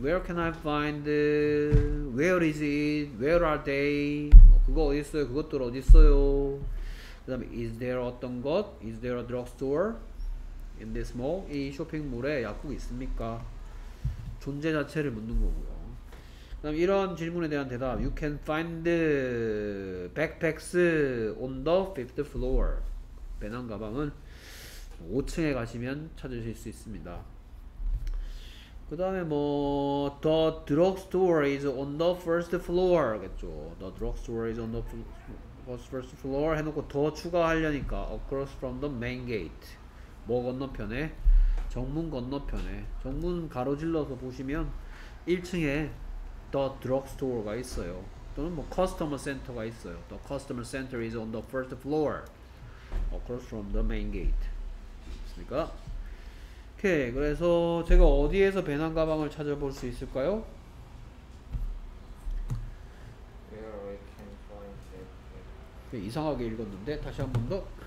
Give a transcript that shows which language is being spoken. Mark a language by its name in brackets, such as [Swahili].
[English] Where can I find? Where is it? Where are they? [Korean] 뭐 그거 어디 있어요? 그것들 어디 있어요? 그 다음에 [English] is there [Korean] 어떤 것? [English] Is there a drugstore? In this mall? [Korean] 이 쇼핑몰에 약국 있습니까? 존재 자체를 묻는 거고요. 그 다음 이런 질문에 대한 대답. [English] You can find backpacks on the fifth floor. [Korean] 배낭 가방은 5층에 가시면 찾으실 수 있습니다. 그 다음에 뭐 [English] the drugstore is on the first floor [Korean] 겠죠. [English] The drugstore is on the first floor [Korean] 해놓고 더 추가하려니까 [English] across from the main gate. [Korean] 뭐 건너편에? 정문 건너편에. 정문 가로질러서 보시면 1층에 the drugstore가 있어요. 또는 뭐 customer center가 있어요. [English] The customer center is on the first floor across from the main gate. [Korean] 됐습니까? 오케이. 그래서 제가 어디에서 배낭 가방을 찾아볼 수 있을까요? [English] Where I can find it. [Korean] 이상하게 읽었는데 다시 한 번 더.